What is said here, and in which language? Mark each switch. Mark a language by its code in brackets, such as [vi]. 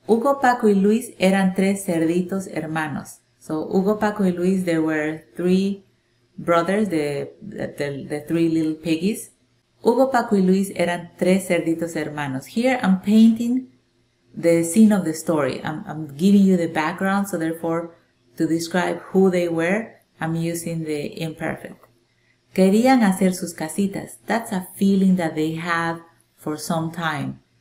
[es] Hugo, Paco y Luis eran tres cerditos hermanos. [en] So Hugo, Paco y Luis, they were three brothers, the three little piggies. [es] Hugo, Paco y Luis eran tres cerditos hermanos. [en] Here I'm painting the scene of the story. I'm giving you the background, so therefore, to describe who they were, I'm using the imperfect. [es] Querían hacer sus casitas. [en] That's a feeling that they had for some time.